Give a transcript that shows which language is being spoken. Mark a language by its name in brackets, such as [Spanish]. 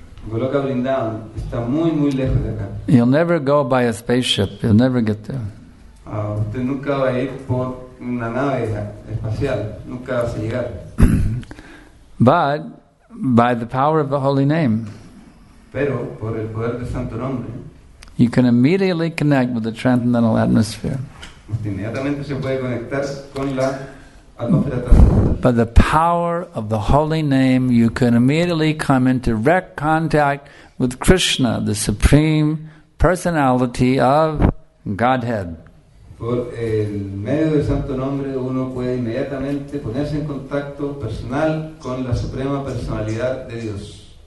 [Spanish] Goloka Vrindavan está muy, muy lejos de acá. [English] You'll never go by a spaceship, you'll never get there. [Spanish] Usted nunca va a ir por una nave espacial, nunca va a llegar. [English] But by the power of the holy name, [Spanish] pero por el poder de santo nombre, [English] you can immediately connect with the transcendental atmosphere. [Spanish] Inmediatamente se puede conectar con la atmósfera transcendental. [English] By the power of the holy name, you can immediately come into direct contact with Krishna, the supreme personality of Godhead. [Spanish] Por el medio del santo nombre uno puede inmediatamente ponerse en contacto personal con la suprema personalidad de Dios.